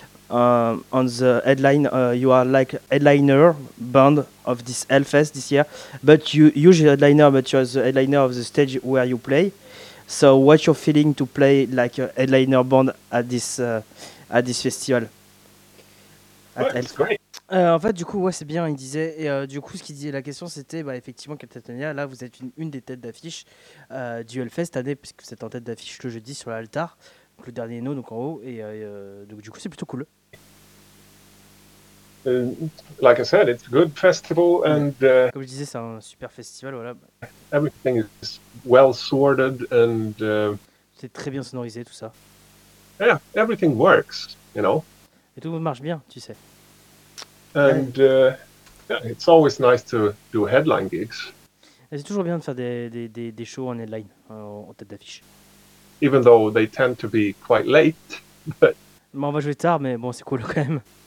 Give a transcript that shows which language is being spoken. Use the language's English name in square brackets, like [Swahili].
[English] On the headline, you are like headliner band of this Hellfest this year, but you're headliner, but you're the headliner of the stage where you play. So, what's your feeling to play like a headliner band at this festival? At Hellfest. [French] En fait, du coup, ouais, c'est bien. Il disait. Et du coup, ce qu'il disait, la question, c'était, bah, effectivement, Catatonia, là, vous êtes une des têtes d'affiche du Hellfest cette année, puisque vous êtes en tête d'affiche le jeudi sur l'altar. Le dernier nœud, donc en haut, et donc du coup, c'est plutôt cool. [English] Like I said, it's a good festival, and [French] comme je disais, c'est un super festival. Voilà. [English] Everything is well sorted, and [French] c'est très bien sonorisé, tout ça. [English] Yeah, everything works, you know. [French] Et tout marche bien, tu sais. [English] And yeah, it's always nice to do headline gigs. [French] Et c'est toujours bien de faire des shows en headline, en tête d'affiche. [English] Even though they tend to be quite late, but. [French] Bon, on va jouer tard, mais bon, c'est cool quand même.